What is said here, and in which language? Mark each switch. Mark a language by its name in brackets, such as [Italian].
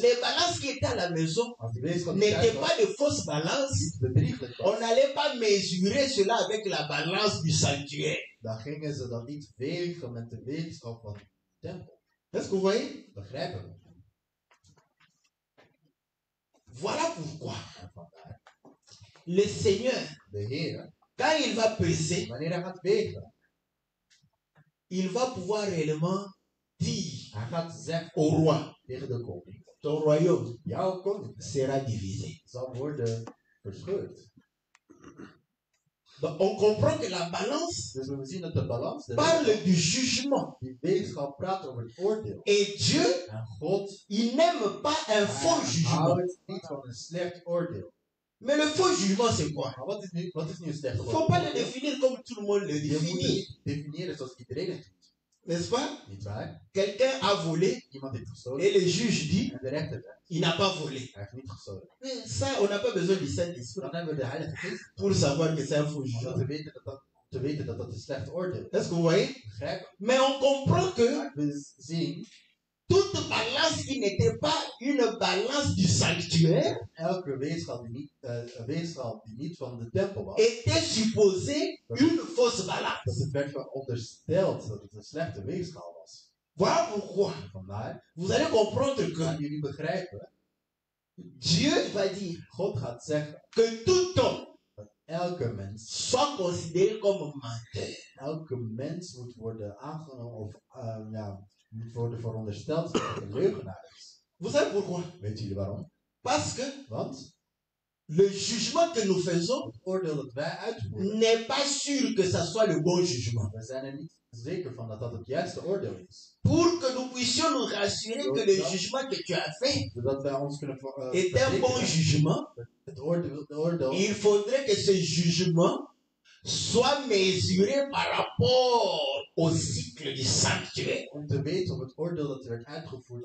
[French] les balances qui étaient à la maison n'étaient pas de fausses balances, on n'allait pas mesurer cela avec la balance du sanctuaire. [Dutch] Dan gingen ze dan niet wegen met de weegschaal van de tempel. [French] Est-ce que vous voyez? [Dutch] Begrijpen we. [French] Voilà pourquoi. Le Seigneur, [Dutch] de Heer, [French] quand il va peser, [Dutch] wanneer hij gaat wegen, [French] il va pouvoir réellement dire. [Dutch] Hij gaat zeggen [French] au roi, [Dutch] tegen de koning. [French] Ton royaume, [Dutch] jouw koning, [French] sera divisé. [Dutch] Zal worden verscheurd. [French] Donc on comprend que la balance, [Dutch] dus we zien dat de balans [French] parle du jugement. [Dutch] Die weegschaal praat over het oordeel. [French] Et Dieu, [Dutch] en God, [French] il n'aime pas un faux jugement. [Dutch] Hij houdt niet van een slecht oordeel. [French] Mais le faux jugement, c'est quoi? [Dutch] Maar wat is nu een slecht oordeel? [French] Faut pas le définir comme tout le monde le définit. [Dutch] Definiëren zoals iedereen het doet. [French] N'est-ce pas? [Dutch] Niet waar. [French] Quelqu'un a volé. [Dutch] Iemand heeft gestolen. [French] Et le juge dit. [Dutch] En de rechter zegt. [French] Il n'a pas volé. [Dutch] Hij heeft niet gestolen. [French] Mais ça, on n'a pas besoin du Saint-Esprit. [Dutch] Dan hebben we de Heilige Geest. [French] Pour savoir que c'est un faux jugement. [Dutch] Om te weten dat een slecht oordeel is. [French] Est-ce que vous voyez? [Dutch] Begrijp. [French] Mais on comprend que. [Dutch] We zien. [French] Toute balance qui n'était pas une balance du sanctuaire. [Dutch] Elke weegschaal die niet van de tempel was. [French] Était supposée une fausse balance. [Dutch] Dat het werd verondersteld dat het een slechte weegschaal was. Waarom? [French] Pourquoi? [Dutch] Vandaar. [French] Vous allez comprendre que. [Dutch] Gaan jullie begrijpen. [French] Dieu va dire. [Dutch] God gaat zeggen. [French] Que tout homme. [Dutch] Dat elke mens. [French] Soit considéré comme menteur. [Dutch] Elke mens moet worden aangenomen of. Moet worden verondersteld dat het een leugenaar is. [French] Vous savez pourquoi? [Dutch] Weet jullie waarom? [French] Parce que. [Dutch] Want. [French] Le jugement que nous faisons. [Dutch] Het oordeel dat wij uitvoeren. [French] N'est pas sûr que ça soit le bon jugement. [Dutch] We zijn er niet zeker van dat het juiste oordeel is. [French] Pour que nous puissions nous rassurer [Dutch] doordat, [French] que le jugement que tu as fait. [Dutch] Zodat wij ons kunnen. [French] Est un bon jugement. [Dutch] Het oordeel. [French] Il faudrait que ce jugement. Soit mesuré par rapport au cycle du sanctuaire. [Dutch] Om te weten of het oordeel dat werd uitgevoerd.